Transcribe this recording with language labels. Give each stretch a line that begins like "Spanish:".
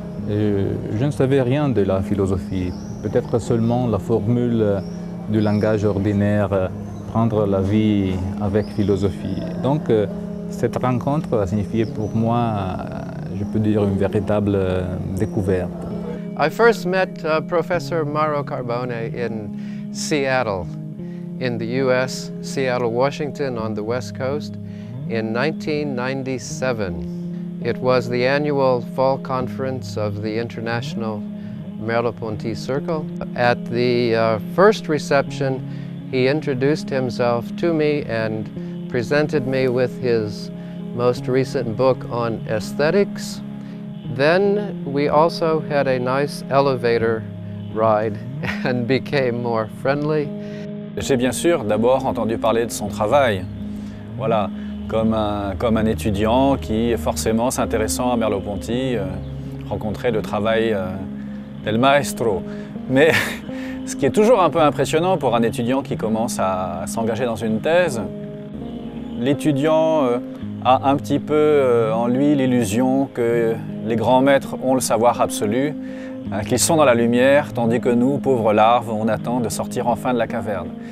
French: Et je ne savais rien de la philosophie, peut-être seulement la formule du langage ordinaire, prendre la vie avec philosophie. Donc cette rencontre a signifié pour moi, je peux dire, une véritable découverte.
English: I first met Professor Mauro Carbone in Seattle, in the US, Seattle, Washington, on the West Coast, in 1997. It was the annual fall conference of the International Merleau-Ponty Circle. At the first reception, he introduced himself to me and presented me with his most recent book on aesthetics. Then we also had a nice elevator ride and became more friendly.
French: J'ai bien sûr d'abord entendu parler de son travail, voilà, comme un étudiant qui, forcément, s'intéressant à Merleau-Ponty, rencontrait le travail
Italian: del maestro.
French: Mais ce qui est toujours un peu impressionnant pour un étudiant qui commence à s'engager dans une thèse, l'étudiant a un petit peu en lui l'illusion que les grands maîtres ont le savoir absolu, qu'ils sont dans la lumière, tandis que nous, pauvres larves, on attend de sortir enfin de la caverne.